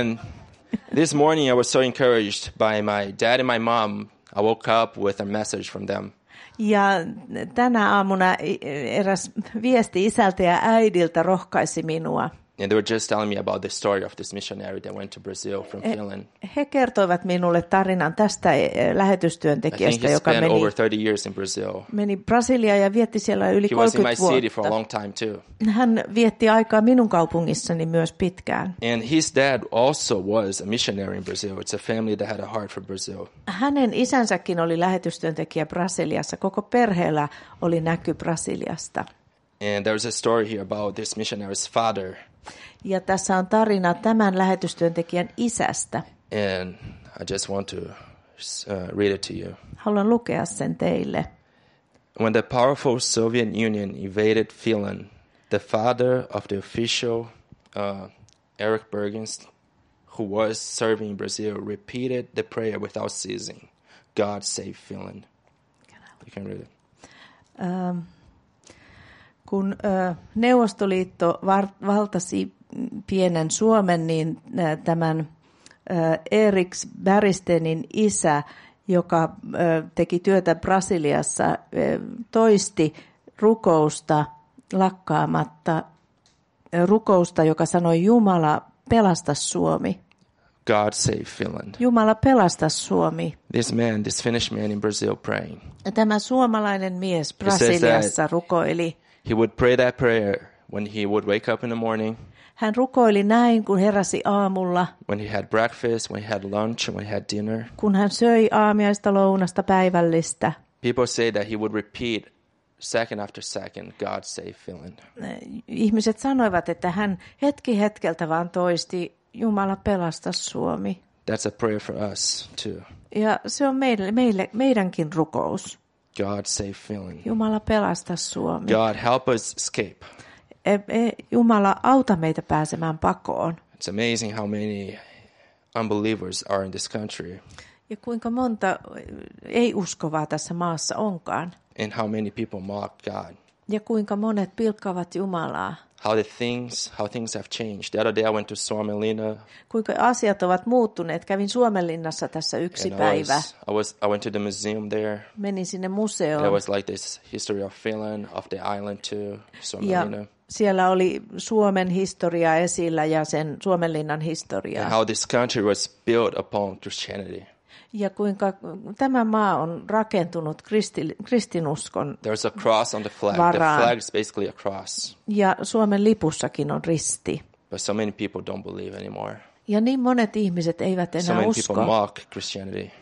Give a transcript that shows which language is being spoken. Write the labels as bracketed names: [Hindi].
[English] And this morning I was so encouraged by my dad and my mom. I woke up with a message from them. [Finnish] Ja tänä aamuna eräs viesti isältä ja äidiltä rohkaisi minua. [English] And they were just telling me about the story of this missionary that went to Brazil from Finland. [Finnish] He kertoivat minulle tarinan tästä lähetystyöntekijästä, joka meni [English] over 30 years in Brazil. [Finnish] Meni Brasiliaan ja vietti siellä yli 30 vuotta. [English] He was in my city for a long time too. [Finnish] Hän vietti aikaa minun kaupungissani myös pitkään. [English] And his dad also was a missionary in Brazil. It's a family that had a heart for Brazil. [Finnish] Hänen isänsäkin oli lähetystyöntekijä Brasiliassa. Koko perheellä oli näky Brasiliasta. [English] And there was a story here about this missionary's father. [Finnish] Ja tässä on tarina tämän lähetystyöntekijän isästä. [English] And I just want to read it to you. [Finnish] Haluan lukea sen teille. [English] When the powerful Soviet Union invaded Finland, the father of the official Erik Bergens, who was serving in Brazil, repeated the prayer without ceasing. God save Finland. You can read it. [Finnish] Kun Neuvostoliitto valtasi pienen Suomen, niin tämän Erik Bergstenin isä, joka teki työtä Brasiliassa, toisti rukousta lakkaamatta, rukousta, joka sanoi Jumala pelasta Suomi. [English] God save Finland. [Finnish] Jumala pelasta Suomi. [English] This man, this Finnish man in Brazil praying. [Finnish] Tämä suomalainen mies Brasiliassa rukoili. [English] He would pray that prayer when he would wake up in the morning. [Finnish] Hän rukoili näin, kun heräsi aamulla. [English] When he had breakfast, when he had lunch, when he had dinner. [Finnish] Kun hän söi aamiaista, lounasta, päivällistä. [English] People say that he would repeat second after second, God save Finland. [Finnish] Ihmiset sanoivat, että hän hetki hetkeltä vaan toisti, Jumala pelasta Suomi. [English] That's a prayer for us too. [Finnish] Ja se on meidänkin rukous. [English] God save Finland. [Finnish] Jumala pelasta Suomi. [English] God help us escape. [Finnish] Jumala auta meitä pääsemään pakoon. [English] It's amazing how many unbelievers are in this country. [Finnish] Ja kuinka monta ei uskovaa tässä maassa onkaan. [English] And how many people mock God. [Finnish] Ja kuinka monet pilkkaavat Jumalaa. [English] How things have changed. The other day I went to Suomenlinna. [Finnish] Kuinka asiat ovat muuttuneet. Kävin Suomenlinnassa tässä yksi päivä. [English] I went to the museum there. [Finnish] Menin sinne museoon. [English] There was like this history of Finland, of the island too, Suomenlinna. [Finnish] Siellä oli Suomen historia esillä ja sen Suomenlinnan historia. [English] And how this country was built upon Christianity. [Finnish] Ja kuinka tämä maa on rakentunut kristinuskon. [English] There's a cross on the flag. [Finnish] Varaan. [English] The flag is basically a cross. [Finnish] Ja Suomen lipussakin on risti. [English] But so many people don't believe anymore. [Finnish] Ja niin monet ihmiset eivät enää usko. [English] So many people mock Christianity.